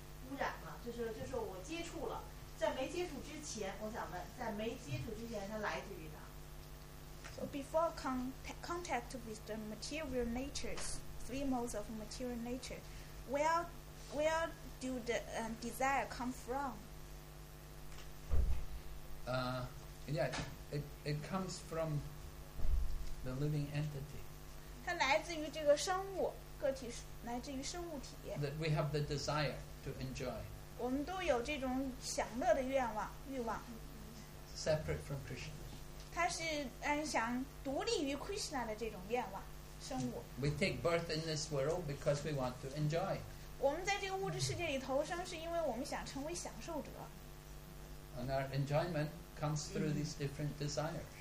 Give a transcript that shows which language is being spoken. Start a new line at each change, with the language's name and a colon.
Chinese: 污染嘛，就是我接触了，在没接触之前，我想问，在没接触之前，它来自于哪
English: ？So before contact with the material natures, three modes of material nature, where do the desire come from? It comes from the living entity.
Chinese: 它来自于这个生物个体，来自于生物体。
English: That we have the desire. To enjoy.
Chinese: 我们都有这种享乐的愿望欲望。
English: Separate from Krishna.
Chinese: 它是想独立于 Krishna 的这种愿望生物。
English: We take birth in this world because we want to enjoy.
Chinese: 我们在这个物质世界里投生，是因为我们想成为享受者。
English: And our enjoyment comes through these different desires.